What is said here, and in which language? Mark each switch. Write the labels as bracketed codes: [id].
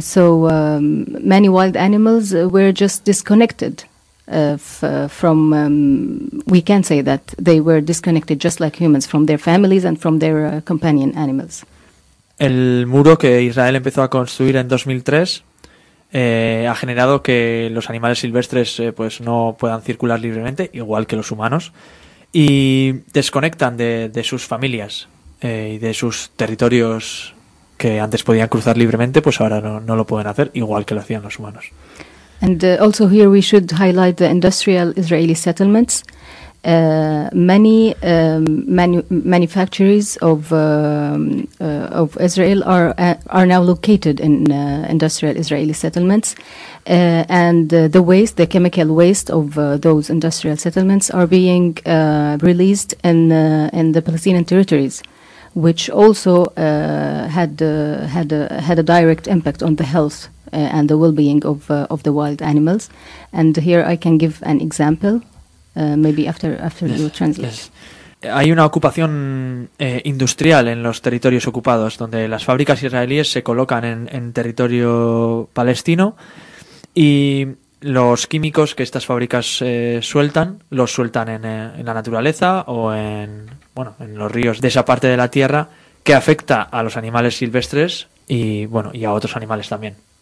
[en] Many wild animals were just disconnected from, we can say that they were disconnected just like humans from their families and from their companion animals. [es] El muro que Israel empezó a construir en 2003 ha generado que los animales silvestres pues no puedan circular libremente, igual que los humanos, y desconectan de sus familias y de sus territorios que antes podían cruzar libremente, pues ahora no lo pueden hacer, igual que lo hacían los humanos. [en] And also here we should highlight the industrial Israeli settlements. Many manufacturers of Israel are now located in industrial Israeli settlements, and the waste, the chemical waste of those industrial settlements, are being released in the Palestinian territories, which also had a direct impact on the health and the well-being of the wild animals. And here I can give an example, maybe after you translate. Yes. [es] Hay una ocupación industrial en los territorios ocupados, donde las fábricas israelíes se colocan en territorio palestino y los químicos que estas fábricas sueltan, los sueltan en la naturaleza o en los ríos de esa parte de la tierra, que afecta a los animales silvestres y bueno, y a otros animales también.